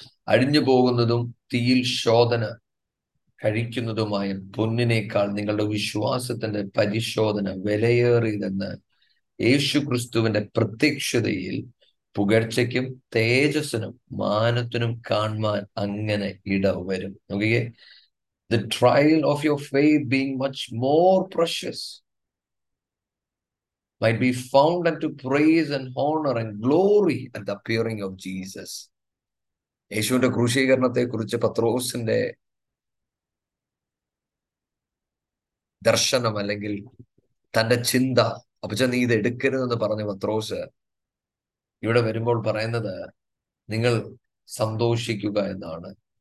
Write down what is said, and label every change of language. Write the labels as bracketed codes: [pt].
[ml] അഴിഞ്ഞു പോകുന്നതും തീയിൽ ശോധന കഴിക്കുന്നതുമായ പൊന്നിനേക്കാൾ നിങ്ങളുടെ വിശ്വാസത്തിന്റെ പരിശോധന വിലയേറിയതെന്ന് യേശു ക്രിസ്തുവിന്റെ പ്രത്യക്ഷതയിൽ പുകഴ്ചയ്ക്കും തേജസ്സിനും മാനത്തിനും കാണുവാൻ അങ്ങനെ ഇടവരും. നോക്കിയേ, [en] The trial of your faith being much more precious might be found unto praise and honor and glory at the appearing of Jesus. [ml] യേശുവിന്റെ ക്രൂശീകരണത്തെ കുറിച്ച് പത്രോസിന്റെ ദർശനം അല്ലെങ്കിൽ തന്റെ ചിന്ത, അപ്പച്ച നീ ഇത് എടുക്കരുതെന്ന് പറഞ്ഞ പത്രോസ് ഇവിടെ വരുമ്പോൾ പറയുന്നത് നിങ്ങൾ സന്തോഷിക്കുക എന്നാണ്.